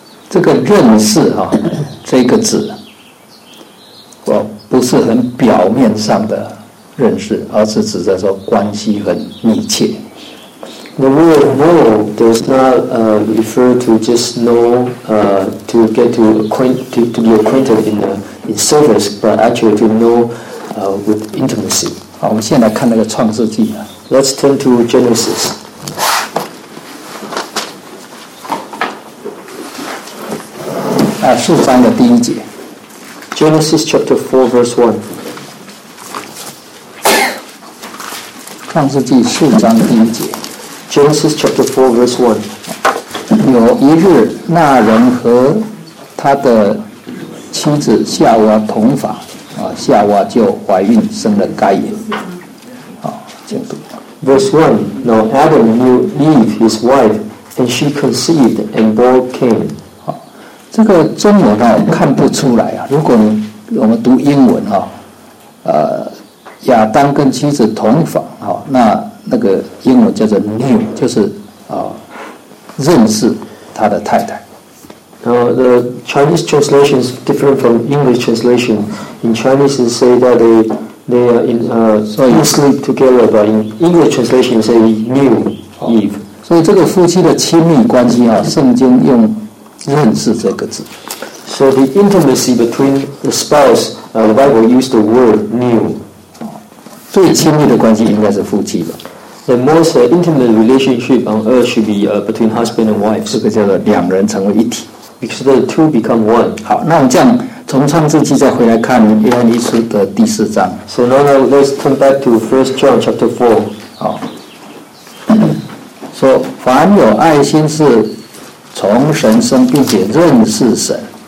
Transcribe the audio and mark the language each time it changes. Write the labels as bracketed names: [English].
[Chinese] 这个认识啊，这个字，我不是很表面上的认识，而是指着说关系很密切。 [English] The word know does not refer to just know to get to acquaint to be acquainted in service, but actually to know with intimacy. [Chinese] 好，我们现在看那个创世纪啊。 [English] Let's turn to Genesis. [Chinese] 啊，四章的第一节。 [English] Genesis chapter 4 verse 1. [Chinese] 创世纪四章第一节。 [English] Genesis chapter 4 verse 1. [Chinese] 有一日，那人和他的妻子夏娃同房，夏娃就怀孕生了该隐。 [English] Verse 1. Now Adam knew Eve, his wife, and she conceived and bore Cain. [Chinese] 这个中文我看不出来啊，如果我们读英文啊，亚当跟妻子同房，那个英文叫做 knew， 就是认识他的太太。 [English] The Chinese translation is different from English translation. In Chinese, it say that they are in sleep together, but in English translation, say knew Eve. [Chinese] 所以这个夫妻的亲密关系啊，圣经用认识这个字。 [English] So the intimacy between the spouse, the Bible used the word knew. [Chinese] 最亲密的关系应该是夫妻吧。 [English] The most intimate relationship on earth should be between husband and wife. [Chinese] 这个叫做两人成为一体。 [English] Because the two become one. [Chinese] 好，那我们这样从创世纪再回来看约翰一书的第四章。 [English] So now let's turn back to 1 John chapter 4. [Chinese] 好，说凡有爱心是从神生，并且认识神。